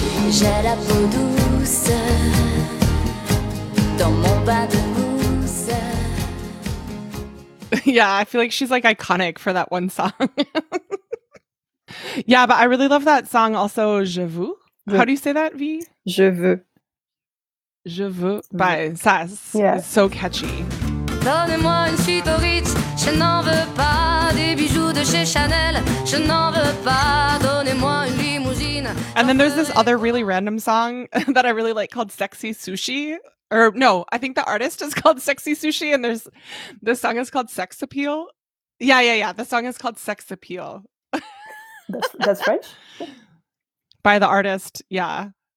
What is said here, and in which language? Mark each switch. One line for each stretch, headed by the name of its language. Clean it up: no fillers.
French: J'ai la peau douce dans mon bain de mousse.
English: Yeah, I feel like she's like iconic for that one song. Yeah, but I really love that song also, Je veux. How do you say that, V?
French: Je veux.
English: Je veux by Sass. Yeah. It's so catchy.
French: Donnez-moi une suite au Ritz. Je n'en veux pas des bijoux de chez Chanel. Je n'en veux pas. Donnez-moi une limousine.
English: And then there's this other really random song that I really like called Sexy Sushi. Or no, I think the artist is called Sexy Sushi and there's this song is called Sex Appeal. Yeah. The song is called Sex Appeal. That's French? By the artist, yeah.